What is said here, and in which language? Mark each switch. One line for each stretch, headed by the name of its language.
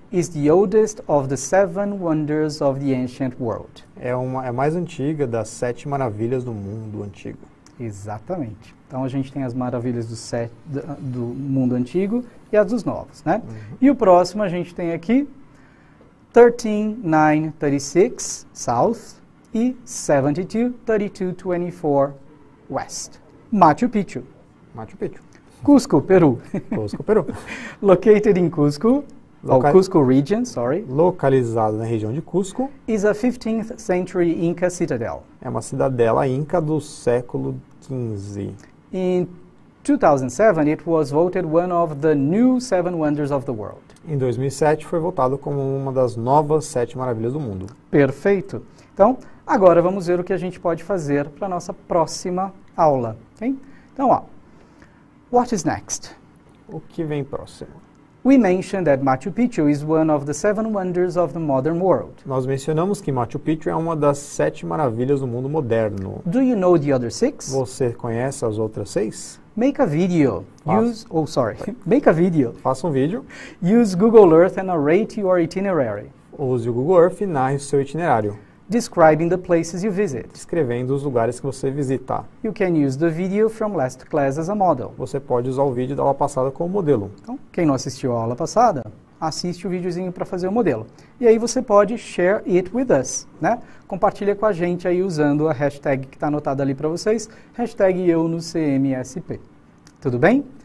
English: Is the oldest of the seven wonders of the ancient world.
Portuguese: É uma, é mais antiga das sete maravilhas do mundo antigo. Exatamente. Então a gente tem as maravilhas do, do mundo antigo e as dos novos, né? Uhum. E o próximo a gente tem aqui 13936 south e 72-32-24 west. Machu Picchu. Machu Picchu. Cusco, Peru. Cusco, Peru.
English: Located in Cusco. Cusco region, sorry.
Portuguese: Localizado na região de Cusco.
English: Is a 15th century Inca citadel.
Portuguese: É uma cidadela Inca do século 15.
English: In 2007, it was voted one of the new seven wonders of the world.
Portuguese: Em 2007, foi votado como uma das novas sete maravilhas do mundo. Perfeito. Então, agora vamos ver o que a gente pode fazer para a nossa próxima aula.
English: Okay?
Portuguese: Então, ó.
English: What is next?
Portuguese: O que vem próximo?
English: We mentioned that Machu Picchu is one of the seven wonders of the modern world.
Portuguese: Nós mencionamos que Machu Picchu é uma das sete maravilhas do mundo moderno.
English: Do you know the other six?
Portuguese: Você conhece as outras seis?
English: Make a video. Make a video.
Portuguese: Faça um vídeo.
English: Use Google Earth and narrate your itinerary.
Portuguese: Use o Google Earth e narre o seu itinerário.
English: Describing the places you visit.
Portuguese: Descrevendo os lugares que você visitar.
English: You can use the video from last class as a model.
Portuguese: Você pode usar o vídeo da aula passada como modelo. Então, quem não assistiu a aula passada, assiste o videozinho para fazer o modelo. E aí você pode
English: share it with us,
Portuguese: né? Compartilha com a gente aí usando a hashtag que está anotada ali para vocês, hashtag EuNoCMSP. Tudo bem?